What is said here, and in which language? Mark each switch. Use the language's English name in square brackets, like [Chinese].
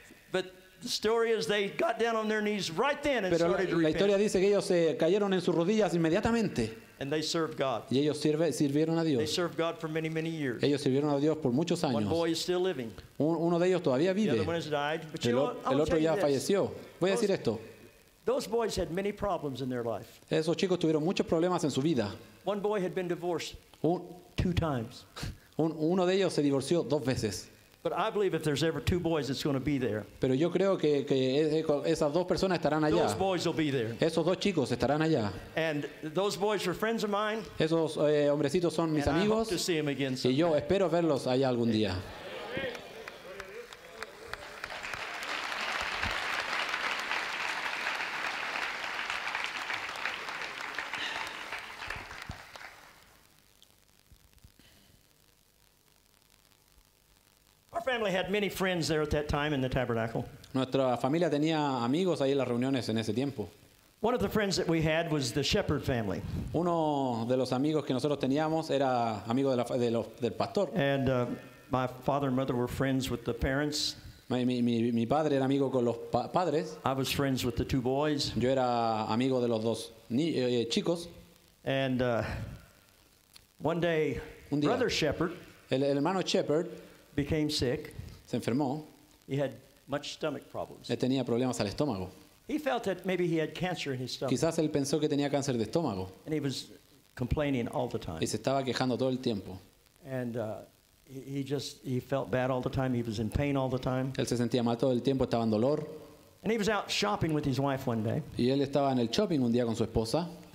[English] But the story is they got down on their knees right then and started to repent. [Spanish] Pero la historia dice que ellos se cayeron en sus rodillas inmediatamente. [English] And they served God. [Spanish] Y ellos sirvieron a Dios. [English] They served God for many, many years. [Spanish] Ellos sirvieron a Dios por muchos años. [English] One boy is still living. [Spanish] Uno de ellos todavía vive. [English] The other one has died. But you know, [Spanish] el otro ya falleció. Voy a decir esto. [English] Those boys had many problems in their life. [Spanish] Esos chicos tuvieron muchos problemas en su vida. [English] One boy had been divorced two times. [Spanish] Uno de ellos se divorció dos veces. [English] But I believe if there's ever two boys, it's going to be there. [Spanish] Pero yo creo que esas dos personas estarán allá. [English] Those boys will be there. [Spanish] Esos dos chicos estarán allá. [English] And those boys are friends of mine. [Spanish] Esos hombrecitos son mis amigos. [English] And I hope to see them again sometime. [Spanish] Y yo espero verlos allá algún día. [English] Had many friends there at that time in the tabernacle. [Spanish] Nuestra familia tenía amigos ahí en las reuniones en ese tiempo. [English] One of the friends that we had was the shepherd family. [Spanish] Uno de los amigos que nosotros teníamos era amigo del pastor. [English] And my father and mother were friends with the parents. [Spanish] Mi padre era amigo con los padres. [English] I was friends with the two boys. [Spanish] Yo era amigo de los dos chicos. [English] And one day, [Spanish] un día, [English] brother shepherd. [Spanish] El hermano shepherd. [English] Became sick. [Spanish] Se enfermó. [English] He had much stomach problems. [Spanish] Él tenía problemas al estómago. [English] He felt that maybe he had cancer in his stomach. [Spanish] Quizás él pensó que tenía cáncer de estómago. [English] And he was complaining all the time. [Spanish] Y se estaba quejando todo el tiempo. [English] And he felt bad all the time. He was in pain all the time. [Spanish] Él se sentía mal todo el tiempo, estaba en dolor. [English] And he was out shopping with his wife one day. [Spanish] Y él estaba en el shopping un día con su esposa.